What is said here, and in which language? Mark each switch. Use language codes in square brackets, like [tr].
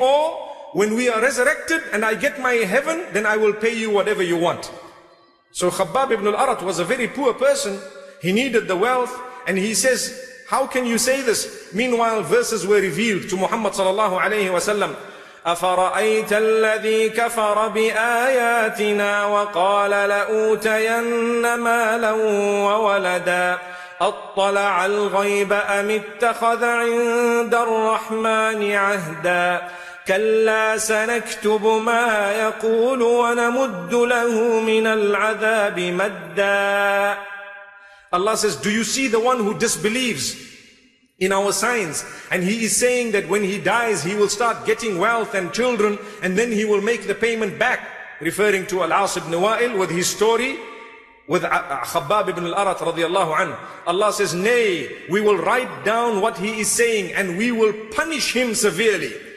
[en] Or when we are resurrected and I get my heaven, then I will pay you whatever you want. So Khabbab ibn al-Arad was a very poor person. He needed the wealth. And he says, how can you say this? Meanwhile, verses were revealed to Muhammad sallallahu alayhi wa sallam. [ar] أفرأيت الذي كفر بآياتنا وقال لأوتين مالا وولدا أطلع الغيب أم اتخذ عند الرحمن عهدا كلا سنكتب ما يقول ونمد له من العذاب مدا. [en] Allah says, do you see the one who disbelieves in our signs, and he is saying that when he dies, he will start getting wealth and children, and then he will make the payment back, referring to Al-As ibn Wa'il with his story, with Khabbab ibn al-Arat radiyallahu anhu. Allah says, nay, we will write down what he is saying and we will punish him severely.